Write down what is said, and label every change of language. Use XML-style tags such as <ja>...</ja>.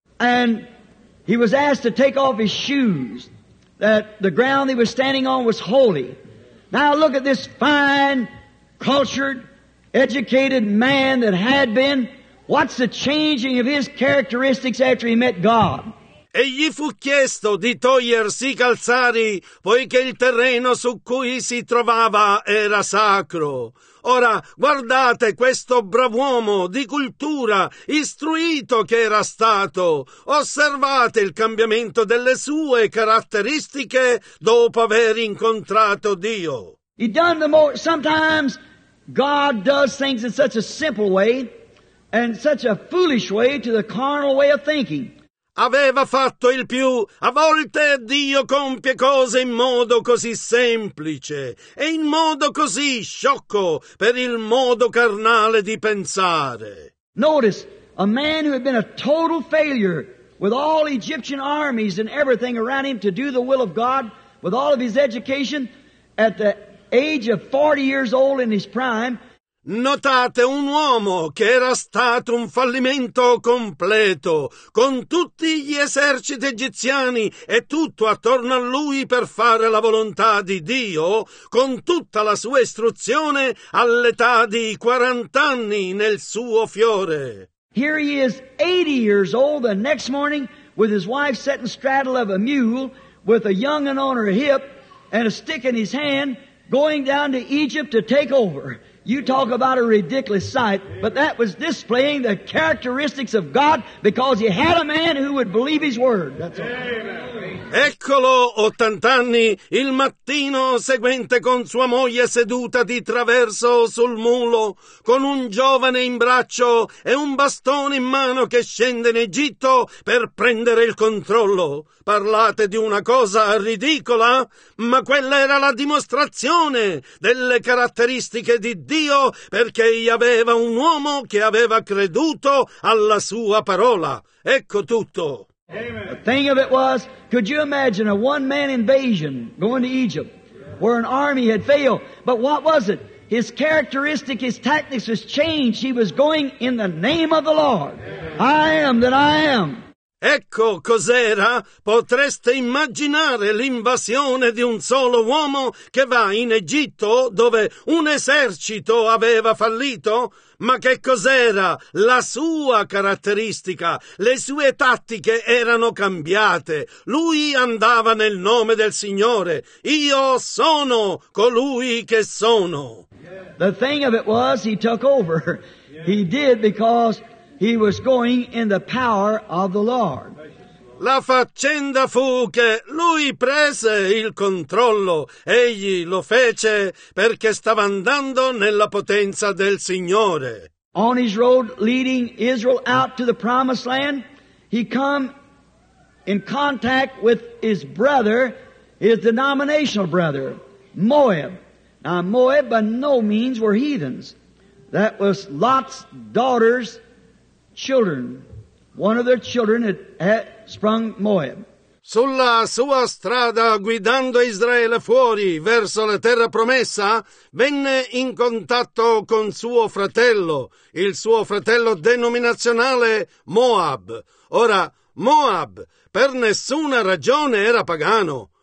<en>And he was asked to take off his shoes, that the ground he was standing on was holy. Now look at this fine, cultured, educated man that had been, what's the changing of his characteristics after he met God?</en> <it>e gli fu chiesto di togliersi i calzari, poiché il terreno su cui si trovava era sacro. Ora, guardate questo brav'uomo di cultura, istruito che era stato. Osservate il cambiamento delle sue caratteristiche dopo aver incontrato Dio.</it> <en>He done the more. Sometimes God does things in such a simple way and such a foolish way to the carnal way of thinking.</en> <it>Aveva fatto il più. A volte Dio compie cose in modo così semplice e in modo così sciocco per il modo carnale di pensare.</it> <en>Notice, a man who had been a total failure with all Egyptian armies and everything around him to do the will of God, with all of his education, at the age of 40 years old in his prime.</en> <it>Notate un uomo che era stato un fallimento completo, con tutti gli eserciti egiziani e tutto attorno a lui per fare la volontà di Dio, con tutta la sua istruzione all'età di 40 anni nel suo fiore.</it> <en>Here he is 80 years old the next morning with his wife sitting straddle of a mule with a young un on her hip and a stick in his hand going down to Egypt to take over. You talk about a ridiculous sight, but that was displaying the characteristics of God because he had a man who would believe his word. That's all.</en> <it>Eccolo, 80 anni, il mattino seguente con sua moglie seduta di traverso sul mulo, con un giovane in braccio e un bastone in mano che scende in Egitto per prendere il controllo. Parlate di una cosa ridicola, ma quella era la dimostrazione delle caratteristiche di Dio, perché egli aveva un uomo che aveva creduto alla sua parola. Ecco tutto.</it> <en>Amen. The thing of it was, could you imagine a one-man invasion going to Egypt where an army had failed? But what was it? His characteristic, his tactics was changed. He was going in the name of the Lord. Amen. I am that I am.</en> <it>Ecco cos'era. Potreste immaginare l'invasione di un solo uomo che va in Egitto dove un esercito aveva fallito? Ma che cos'era? La sua caratteristica, le sue tattiche erano cambiate. Lui andava nel nome del Signore. Io sono colui che sono.</it> <en>The thing of it was, he took over. He did because he was going in the power of the Lord.</en> <it>La faccenda fu che lui prese il controllo. Egli lo fece perché stava andando nella potenza del Signore.</it> <en>On his road leading Israel out to the promised land, he come in contact with his brother, his denominational brother, Moab. Now Moab by no means were heathens. That was Lot's daughter's children. One of their children had sprung Moab.</en> <it>Sulla sua strada, guidando Israele fuori verso la terra promessa, venne in contatto con suo fratello, il suo fratello denominazionale Moab. Ora, Moab per nessuna ragione era pagano.</it>